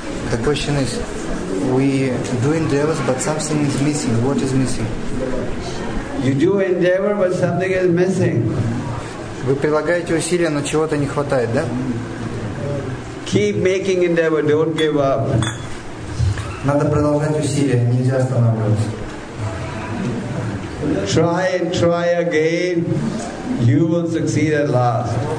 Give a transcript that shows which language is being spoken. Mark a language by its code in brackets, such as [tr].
[en] The question is, we do endeavors, but something is missing. What is missing? You do endeavor, but something is missing. [ru] Вы прилагаете усилия, но чего-то не хватает, да? [en] Keep making endeavor, don't give up. [ru] Надо продолжать усилия, нельзя останавливаться. [en] Try and try again, you will succeed at last.